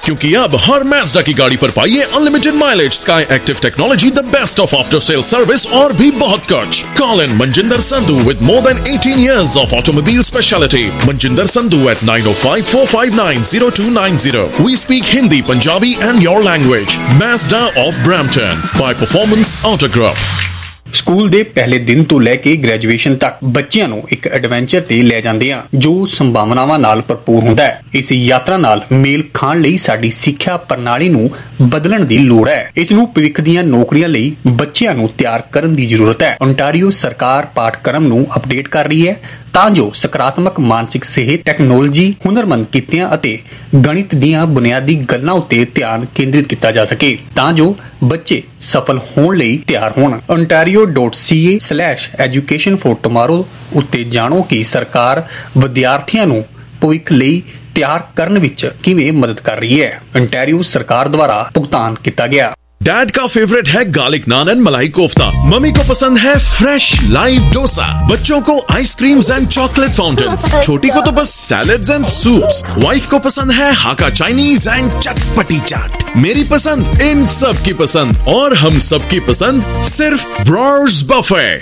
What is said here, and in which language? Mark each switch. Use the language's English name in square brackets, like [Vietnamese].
[Hindi] क्योंकि अब हर मैजडा की गाड़ी पर पाइए unlimited mileage, sky active technology, the best of after sale service और भी बहुत कुछ. [English] Call in Manjinder Sandhu with more than 18 years of automobile speciality. Manjinder Sandhu at 9054590290. We speak Hindi, Punjabi and your language. Mazda of Brampton by Performance Autograph. [Punjabi] School ਦੇ ਪਹਿਲੇ ਦਿਨ ਤੋਂ ਲੈ ਕੇ graduation ਤੱਕ ਬੱਚਿਆਂ ਨੂੰ ਇੱਕ ਐਡਵੈਂਚਰ ਤੇ ਲੈ ਜਾਂਦੇ ਆ ਜੋ ਸੰਭਾਵਨਾਵਾਂ ਨਾਲ ਭਰਪੂਰ ਹੁੰਦਾ ਹੈ. ਇਸ ਯਾਤਰਾ ਨਾਲ ਮੇਲ ਖਾਣ ਲਈ ਸਾਡੀ ਸਿੱਖਿਆ ਪ੍ਰਣਾਲੀ ਨੂੰ ਬਦਲਣ ਦੀ ਲੋੜ ਹੈ. ਇਸ ਨੂੰ ਭਵਿੱਖ ਦੀਆਂ ਨੌਕਰੀਆਂ ਲਈ ਬੱਚਿਆਂ ਨੂੰ ਤਿਆਰ ਕਰਨ ਦੀ ਜ਼ਰੂਰਤ ਹੈ. ਓਨਟਾਰੀਓ ਸਰਕਾਰ ਪਾਠਕ੍ਰਮ ਨੂੰ ਅਪਡੇਟ ਕਰ ਰਹੀ ਹੈ ਤਾਂ ਜੋ ਸਕਾਰਾਤਮਕ ਮਾਨਸਿਕ ਸਿਹਤ, ਟੈਕਨੋਲੋਜੀ, ਹੁਨਰਮੰਦ ਕਿੱਤਿਆਂ ਅਤੇ ਗਣਿਤ ਦੀਆਂ ਬੁਨਿਆਦੀ ਗੱਲਾਂ ਉੱਤੇ ਧਿਆਨ ਕੇਂਦਰਿਤ ਕੀਤਾ ਜਾ ਸਕੇ ਤਾਂ ਜੋ ਬੱਚੇ ਸਫਲ ਹੋਣ ਲਈ ਤਿਆਰ ਹੋਣ. ontario.ca/education for tomorrow ਉੱਤੇ ਜਾਣੋ ਕਿ ਸਰਕਾਰ ਵਿਦਿਆਰਥੀਆਂ ਨੂੰ ਭਵਿੱਖ ਲਈ ਤਿਆਰ ਕਰਨ ਵਿੱਚ ਕਿਵੇਂ ਮਦਦ ਕਰ ਰਹੀ ਹੈ. ਓਨਟਾਰੀਓ ਸਰਕਾਰ ਦੁਆਰਾ ਭੁਗਤਾਨ ਕੀਤਾ ਗਿਆ. [Hindi] डैड का फेवरेट है गार्लिक नान एंड मलाई कोफ्ता. मम्मी को पसंद है फ्रेश लाइव डोसा. बच्चों को आइसक्रीम्स एंड चॉकलेट फाउंटेन्स. छोटी को तो बस सैलड्स एंड सूप्स. वाइफ को पसंद है हाका चाइनीज एंड चटपटी चाट. मेरी पसंद इन सब की पसंद और हम सब की पसंद सिर्फ ब्रॉर्स बफे.